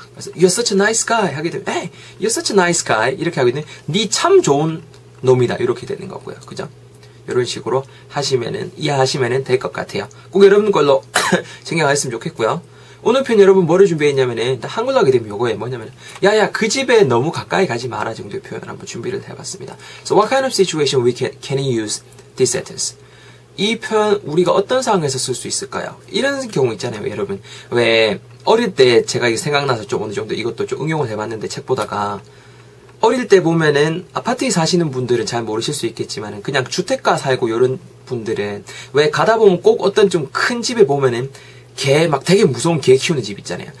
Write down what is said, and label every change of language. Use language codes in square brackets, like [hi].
[ko] 그래서 [en] you're such a nice guy [ko] 하게 되면 [en] hey, you're such a nice guy [ko] 이렇게 하고 있는 네 참 좋은 놈이다 이렇게 되는 거고요. 그죠? 이런 식으로 하시면은 이해하시면은 될 것 같아요. 꼭 여러분 걸로 챙겨가셨으면 좋겠고요. 오늘 편 여러분 뭐를 준비했냐면은 한글로 하게 되면 요거에 뭐냐면 야야 그 집에 너무 가까이 가지 마라 정도의 표현을 한번 준비를 해봤습니다. [en] So what kind of situation we can use this sentence? [ko] 이 표현 우리가 어떤 상황에서 쓸 수 있을까요? 이런 경우 있잖아요 여러분. 왜 어릴 때 제가 이거 생각나서 좀 어느 정도 이것도 좀 응용을 해봤는데 책 보다가 어릴 때 보면은 아파트에 사시는 분들은 잘 모르실 수 있겠지만 그냥 주택가 살고 이런 분들은 왜 가다 보면 꼭 어떤 좀 큰 집에 보면은 개 막 되게 무서운 개 키우는 집 있잖아요.